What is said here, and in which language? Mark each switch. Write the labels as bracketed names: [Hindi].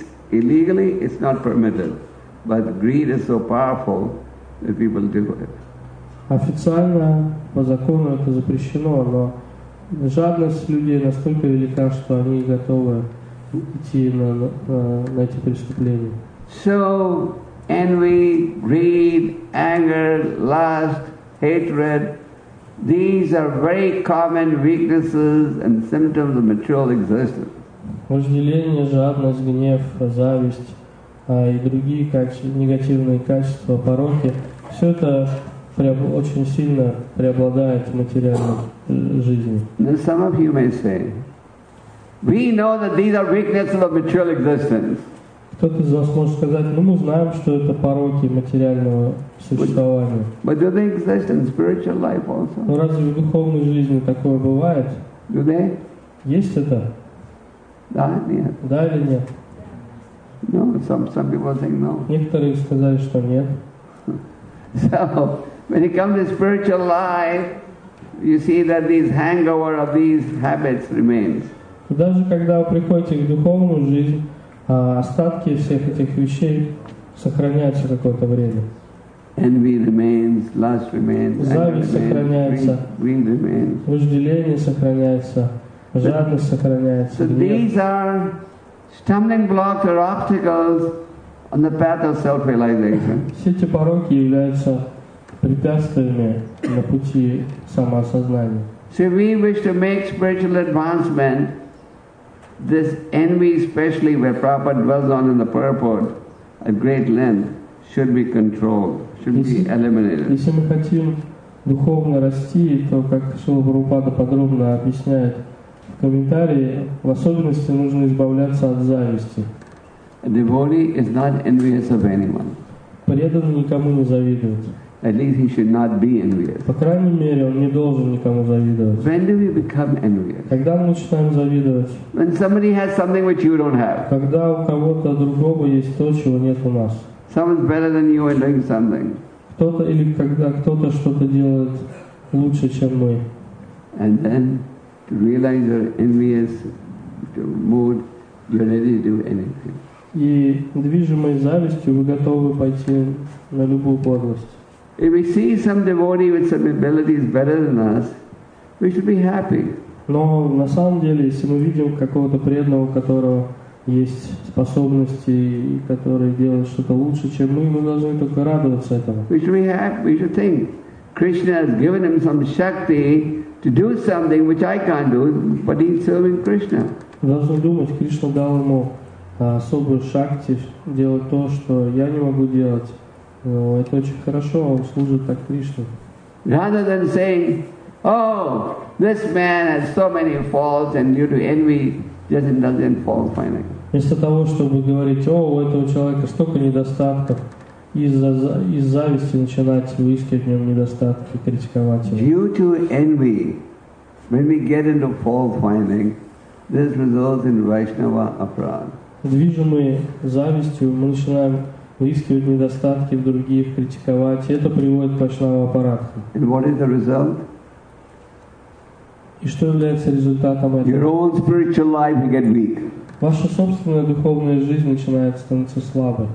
[English] Legally it's not permitted, but greed is so powerful that people do it. [Russian] Официально по закону это запрещено, но жадность людей настолько велика, что они готовы идти на эти преступления. [English] So envy, greed, anger, lust, hatred. These are very common weaknesses and symptoms of material existence. [Russian] Вожделение, жадность, гнев, зависть и другие негативные качества, пороки – все это очень сильно преобладает в материальной жизни. [English] Now some of you may say, we know that these are weaknesses of material existence. [Russian] Кто-то из вас может сказать, мы знаем, что это пороки материального существования. [English] But do they exist in spiritual life also? [Russian] Но разве в духовной жизни такое бывает? [English] Do they? [Russian] Есть это? Да, нет. Да или нет? [English] No, some people think no. [Russian] Некоторые сказали, что нет. [English] So, when you come to spiritual life, you see that these hangover of these habits remains. [Russian] Даже когда вы приходите в духовную жизнь, остатки всех этих вещей сохраняются какое-то время. [English] Envy remains, lust remains, [Russian] зависть сохраняется, [English] greed remains. [Russian] Вожделение сохраняется, жадность сохраняется. [English] So these are stumbling blocks or obstacles on the path of self-realization. [Russian] Все эти пороки являются препятствиями на пути самоосознания. [English] So we wish to make spiritual advancement. This envy, especially where Prabhupada dwells on in the purport at great length, should be controlled, should be eliminated. [Russian] Если мы хотим духовно расти, то, как Шрила Прабхупада подробно объясняет в комментарии, в особенности нужно избавляться от зависти. [English] A devotee is not envious of anyone. [Russian] Преданный никому не завидует. [English] At least he should not be envious. [Russian] По крайней мере, он не должен никому завидовать. [English] When do we become envious? [Russian] Когда мы начинаем завидовать? [English] When somebody has something which you don't have. [Russian] Когда у кого-то другого есть то, чего нет у нас. [English] Someone's better than you in doing something. [Russian] Кто-то или когда кто-то что-то делает лучше, чем мы. [English] And then to realize your envious mood, you're ready to do anything. [Russian] И движимой завистью вы готовы пойти на любую подлость. [English] If we see some devotee with some abilities better than us, we should be happy. [Russian] Но на самом деле, если мы видим какого-то преданного, у которого есть способности и который делает что-то лучше, чем мы должны только радоваться этому. [English] We should be happy. We should think Krishna has given him some shakti to do something which I can't do, but he's serving Krishna. [Russian] Мы должны думать, Кришна дал ему особую шакти делать то, что я не могу делать. Но это очень хорошо, он служит так Кришне. [English] Rather than saying, oh, this man has so many faults and due to envy, just doesn't fall finally. [Russian] Вместо того, чтобы говорить, о, у этого человека столько недостатков, из зависти начинать выискивать в нем недостатки, критиковать его. [English] Due to envy, when we get into fault finding, this results in Vaishnava apradha. [Russian] Движимые завистью мы начинаем выискивать недостатки в других, критиковать, и это приводит к вайшнава апарадхе. [English] And what is the result? [Russian] И что является результатом этого? [English] Your own spiritual life will get weak. [Russian] Ваша собственная духовная жизнь начинает становиться слабой.